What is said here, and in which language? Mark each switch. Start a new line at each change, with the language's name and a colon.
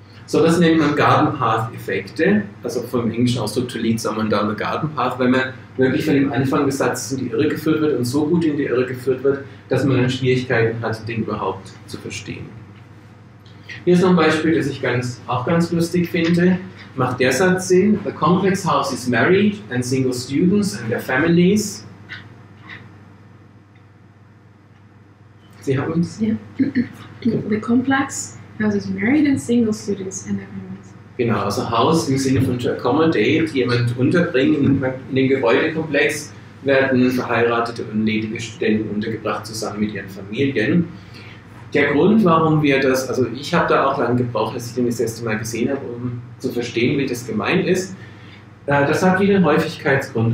German: So, das nennt man Garden Path Effekte, also vom Englischen aus so
English: to lead someone down the garden path,
German: weil man wirklich von dem Anfang des Satzes in die Irre geführt wird und so gut in die Irre geführt wird, dass man dann Schwierigkeiten hat, den überhaupt zu verstehen. Hier ist noch ein Beispiel, das ich auch ganz lustig finde. Macht der Satz Sinn?
English: The complex house is married and single students and their families.
German: Sie haben uns? Ja.
English: Yeah. The complex house is married and single students and their families.
German: Genau, also house im Sinne von
English: to accommodate,
German: jemand unterbringen in den Gebäudekomplex, werden verheiratete und ledige Studenten untergebracht zusammen mit ihren Familien. Der Grund, warum wir das, also ich habe da auch lange gebraucht, als ich den das erste Mal gesehen habe, um zu verstehen, wie das gemeint ist, das hat wieder einen Häufigkeitsgrund.